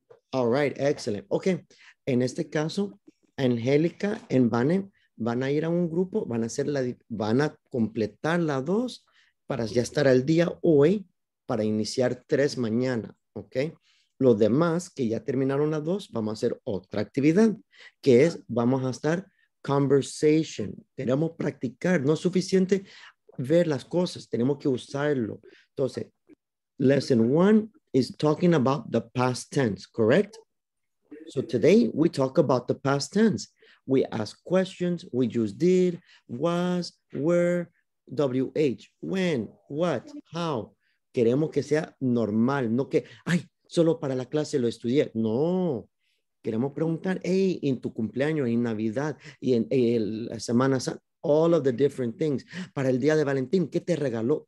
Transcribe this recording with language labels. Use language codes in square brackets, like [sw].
[en] All right, excellent. [es] Okay, en este caso, Angélica and Vane van a ir a un grupo, van a completar la dos para ya estar al día hoy para iniciar tres mañana, okay? Los demás que ya terminaron la dos, vamos a hacer otra actividad, que es, vamos a estar conversation. Tenemos que practicar, no es suficiente ver las cosas, tenemos que usarlo. [en] Entonces, lesson one, is talking about the past tense, correct? So today we talk about the past tense. We ask questions, we use did, was, were, WH, when, what, how. [es] Queremos que sea normal, no que, ay, solo para la clase lo estudié. No, queremos preguntar, hey, en tu cumpleaños, en Navidad, y en la Semana Santa, [en] all of the different things. [es] Para el día de Valentín, ¿qué te regaló?